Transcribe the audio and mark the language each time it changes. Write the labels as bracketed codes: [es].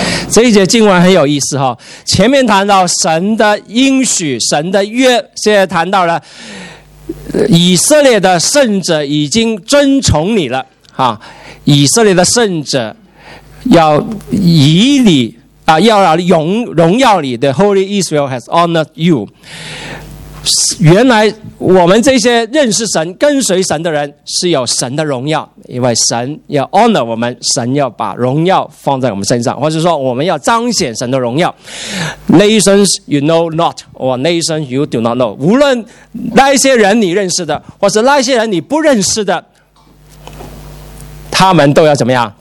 [zh] 这一节经文很有意思哈，前面谈到神的应许、神的约，现在谈到了以色列的圣者已经遵从你了啊，以色列的圣者要以你啊，要荣耀你。 [en] The Holy Israel has honored you。 [zh] 原来我们这些认识神、跟随神的人是有神的荣耀，因为神要 honor 我们，神要把荣耀放在我们身上，或者说我们要彰显神的荣耀。 [en] Nations you know not or nations you do not know， [zh] 无论那些人你认识的或是那些人你不认识的，他们都要怎么样？